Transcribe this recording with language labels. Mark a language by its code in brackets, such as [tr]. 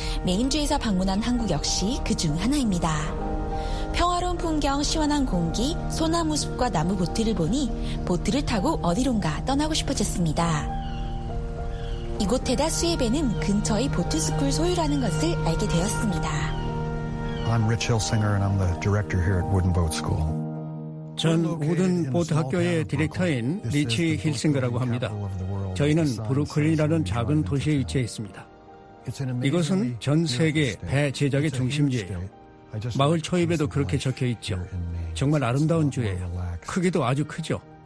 [ko] 메인주에서 방문한 항구 역시 그중 하나입니다. 평화로운 풍경, 시원한 공기, 소나무 숲과 나무 보트를 보니 보트를 타고 어디론가 떠나고 싶어졌습니다. 이곳 테다 스웨벤은 근처의 보트스쿨 소유라는 것을 알게 되었습니다. [en] I'm Rich Hilsinger and I'm the director here at Wooden Boat School. [ko] 전 우든 보트 학교의 디렉터인 리치 힐싱거라고 합니다. 저희는 브루클린이라는 작은 도시에 위치해 있습니다. 이곳은 전 세계 배 제작의 중심지예요. 마을 초입에도 그렇게 적혀 있죠. 정말 아름다운 주예요. 크기도 아주 크죠.